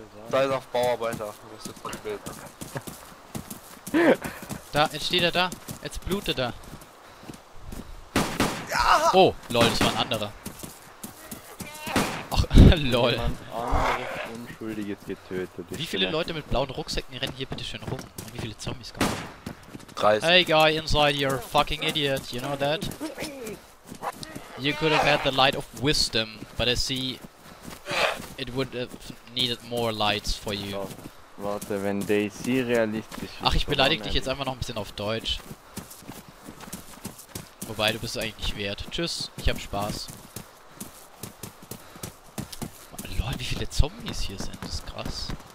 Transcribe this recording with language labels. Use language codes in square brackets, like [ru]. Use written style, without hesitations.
[de] Sei doch Bauarbeiter, du bist jetzt Bodybuilder. Da, jetzt steht er da. Jetzt blutet er. Ja. Oh, lol, das war ein anderer. Ach, lol. Unschuldiges getötet. Wie viele Leute mit blauen Rucksäcken rennen hier bitte schön rum? Und wie viele Zombies kommen? 30. [en] Hey guy inside, you're a fucking idiot, you know that? You could have had the light of wisdom, but I see it would have needed more lights for you. [de] Warte, wenn DC realistisch ist. Ach, ich beleidige dich jetzt einfach noch ein bisschen auf Deutsch. Wobei, du bist es eigentlich wert. Tschüss, ich hab Spaß. Lol, wie viele Zombies hier sind, das ist krass.